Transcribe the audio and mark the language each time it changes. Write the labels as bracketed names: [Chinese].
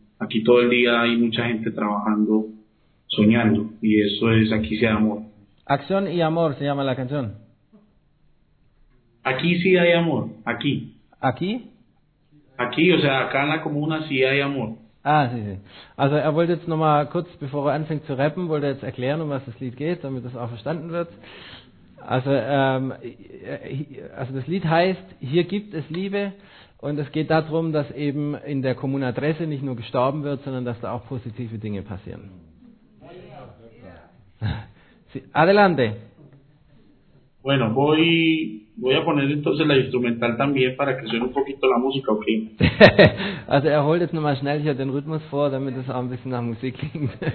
[Spanish] Aquí todo el día hay mucha gente trabajando, soñando, y eso es aquí sí hay amor. Acción y amor se llama la canción. Aquí sí hay amor, aquí. ¿Aquí? Aquí, o sea, acá en la comuna sí hay amor. Ah, sí, sí. [German] Also er wollte jetzt nochmal kurz, bevor er anfängt zu rappen, wollte jetzt erklären, um was das Lied geht, damit das auch verstanden wird. Also das Lied heißt, hier gibt es Liebe und es geht darum, dass eben in der Comuna 13 nicht nur gestorben wird, sondern dass da auch positive Dinge passieren. [Spanish] Sí, adelante. Bueno, voy a poner entonces la instrumental también para que suene un poquito la música, ¿ok? [German] Also er holt jetzt nochmal schnell hier den Rhythmus vor, damit es auch ein bisschen nach Musik klingt.